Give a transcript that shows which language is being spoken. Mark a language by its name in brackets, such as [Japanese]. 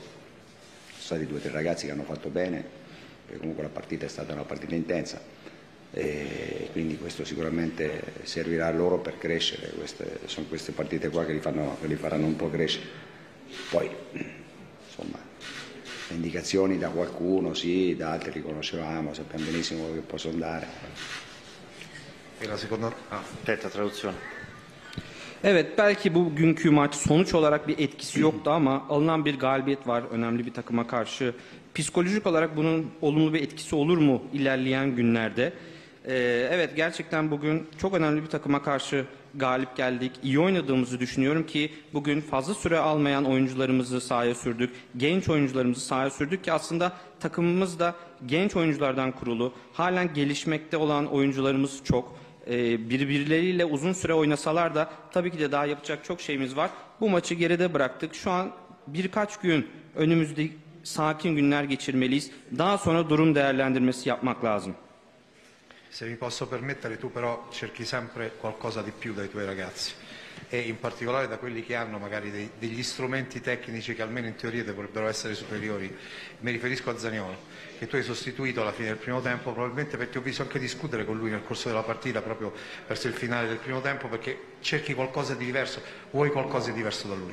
[Italian] Sono stati due o tre ragazzi che hanno fatto bene, perché comunque la partita è stata una partita intensa, e quindi questo sicuramente servirà a loro per crescere. Sono queste partite qua che li faranno un po' crescere. Poi, insomma, le indicazioni da qualcuno, sì, da altri li conoscevamo, sappiamo benissimo quello che possono dare. E la seconda? Aspetta, traduzione. [Turkish] Evet, belki bugünkü maç sonuç olarak bir etkisi yoktu ama alınan bir galibiyet var önemli bir takıma karşı. Psikolojik olarak bunun olumlu bir etkisi olur mu ilerleyen günlerde? Evet, gerçekten bugün çok önemli bir takıma karşı galip geldik. İyi oynadığımızı düşünüyorum ki bugün fazla süre almayan oyuncularımızı sahaya sürdük. Genç oyuncularımızı sahaya sürdük ki aslında takımımız da genç oyunculardan kurulu. Halen gelişmekte olan oyuncularımız çok. Birbirleriyle uzun süre oynasalar da tabii ki de daha yapacak çok şeyimiz var. Bu maçı geride bıraktık. Şu an birkaç gün önümüzde sakin günler geçirmeliyiz. Daha sonra durum değerlendirmesi yapmak lazım. [Italian] Se mi posso permettere, tu però cerchi sempre qualcosa di più dai tuoi ragazzi e in particolare da quelli che hanno magari degli strumenti tecnici che almeno in teoria dovrebbero essere superiori. Mi riferisco a Zaniolo, che tu hai sostituito alla fine del primo tempo, probabilmente perché ho visto anche discutere con lui nel corso della partita, proprio verso il finale del primo tempo, perché cerchi qualcosa di diverso, vuoi qualcosa di diverso da lui.